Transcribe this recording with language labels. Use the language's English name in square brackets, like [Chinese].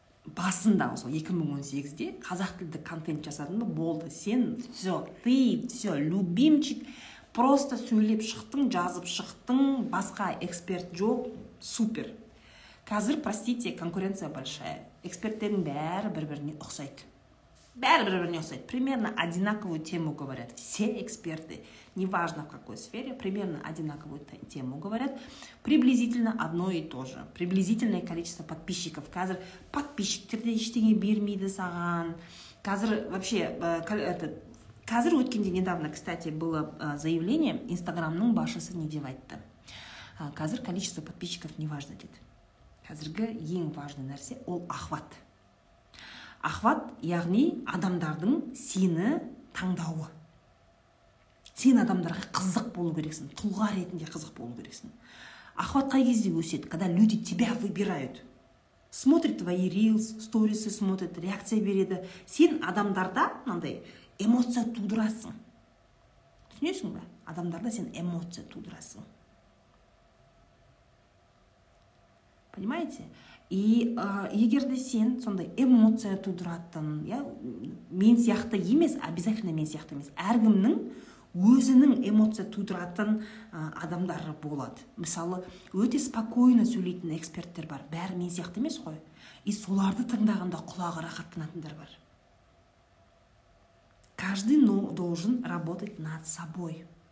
[Kazakh] Басында, осы 2018-де қазақ тілді контент жасадың ба, болды. Сен [Russian] все, ты все, любимчик, [Kazakh] просто сөйлеп шықтың, жазып шықтың, басқа эксперт жоқ, супер. Қазір, [Russian] простите, конкуренция большая. [Kazakh] Эксперттерің бәрі бір-біріне ұқсайды. Бәрі бір-біріне ұқсайды. [Russian] Примерно одинаковую тему говорят. Все эксперты, неважно в какой сфере, примерно одинаковую тему говорят. Приблизительно одно и то же. Приблизительное количество подписчиков. [Kazakh] Қазір подписчиктерді ештеңе бермейді саған. Қазір вообще, қазір өткенде [Russian] недавно, кстати, было заявление, [Kazakh] Инстаграмның башысы не деп айтты. Қазір [Russian] количество подписчиков неважно, [Kazakh] деді. Қазіргі ең важный нәрсе ол ахват. Ахват, яғни адамдардың сені таңдауы. Сен адамдарға қызық болу керексің, тұлға ретінде қызық болу керексің. Ахват қай кезде өседі, [Russian] когда люди тебя выбирают. Смотрит твои рилс, сторисы смотрит, [Kazakh] реакция береді. Сен адамдарда мынандай эмоция тудырасың. Түсінесің бе? Адамдарда сен эмоция тудырасың. [Russian] Понимаете? [Kazakh] И егер де сен сондай эмоция тудыратын, я, мен сияқты емес, обязательно мен сияқты емес, әркімнің өзінің эмоция тудыратын адамдары болады. Мысалы, өте спокойно сөйлейтін эксперттер бар, бәрі мен сияқты емес қой. И соларды тыңдағанда құлағы рахаттанатындар бар. [Russian] Каждый должен работать над собой.